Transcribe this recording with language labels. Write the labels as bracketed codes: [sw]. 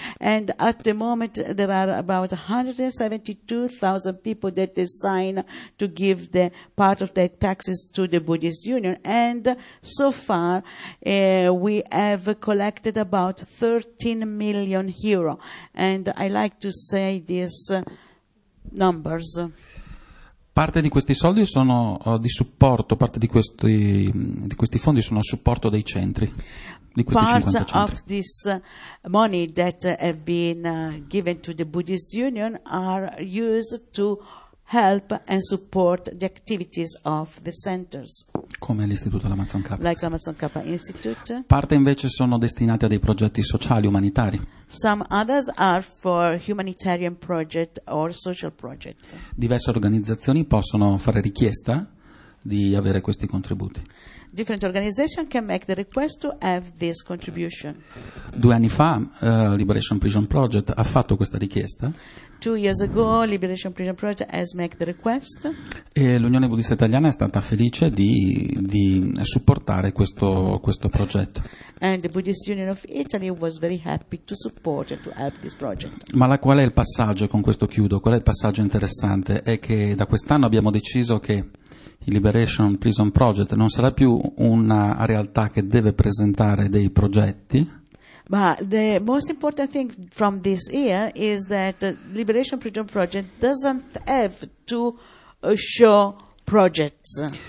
[en] and at the moment there are about 172,000 people that they sign to give the part of their taxes to the Buddhist Union, and so far we have collected about 13 million euro, and I like to say these numbers. [it] Parte di questi soldi sono di supporto, parte di questi fondi sono a supporto dei centri, di questi 50 centri. [en] Part of this money that have been given to the Buddhist Union are used to help and support the activities of the centers. [it] Come l'Istituto Lamazon Kappa. [en] Like Lamazon Kappa Institute. [it] Parte invece sono destinati a dei progetti sociali, umanitari. [en] Some others are for humanitarian project or social project. [it] Diverse organizzazioni possono fare richiesta di avere questi contributi. [en] Different organizations can make the request to have this contribution. [it] Due anni fa, Liberation Prison Project ha fatto questa richiesta. [en] 2 years ago, Liberation Prison Project has made the request. [it] E l'Unione Buddista Italiana è stata felice di supportare questo progetto. [en] And the Buddhist Union of Italy was very happy to support and to help this project. [it] Ma qual è il passaggio, con questo chiudo, qual è il passaggio interessante? È che da quest'anno abbiamo deciso che il Liberation Prison Project non sarà più una realtà che deve presentare dei progetti. [en] But the most important thing from this year is that Liberation Prison Project doesn't have to show projects.